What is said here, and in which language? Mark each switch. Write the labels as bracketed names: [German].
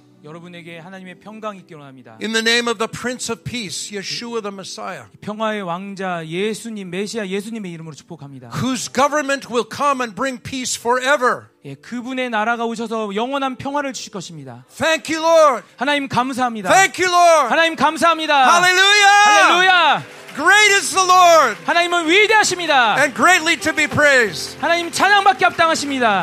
[Korean] 여러분에게 하나님의 평강이 있기를 원합니다. [English] In the name of the Prince of Peace, Yeshua the Messiah. [Korean] 평화의 왕자 예수님 메시아 예수님의 이름으로 축복합니다. [English] Whose government will come and bring peace forever. [Korean] 예, 그분의 나라가 오셔서 영원한 평화를 주실 것입니다. [English] Thank you Lord. [Korean] 하나님 감사합니다. [English] Thank you Lord. [Korean] 하나님 감사합니다. [English] Hallelujah. Hallelujah. Great is the Lord. [Korean] 하나님은 위대하십니다. [English] And greatly to be praised. [Korean] 하나님 찬양받기 합당하십니다.